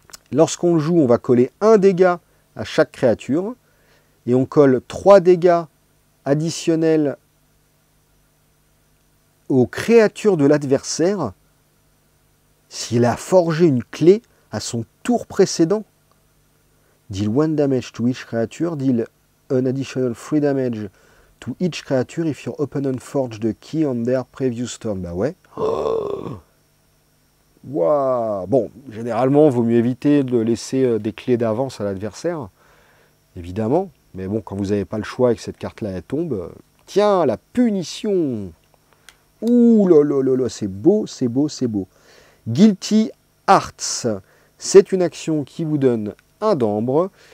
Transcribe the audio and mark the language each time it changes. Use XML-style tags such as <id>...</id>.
<fr>Lorsqu'on joue, on va coller un dégât à chaque créature. Et on colle 3 dégâts additionnels aux créatures de l'adversaire s'il a forgé une clé à son tour précédent.</fr> <en>Deal 1 damage to each creature, deal an additional 3 damage to each creature if you open and forge the key on their previous turn.</en> <fr>Bah ouais. Wow. Bon, généralement, il vaut mieux éviter de laisser des clés d'avance à l'adversaire, évidemment. Mais bon, quand vous n'avez pas le choix et que cette carte-là elle tombe, tiens, la punition. Ouh là là là là, c'est beau, c'est beau, c'est beau. Guilty Hearts, c'est une action qui vous donne un d'ambre.</fr>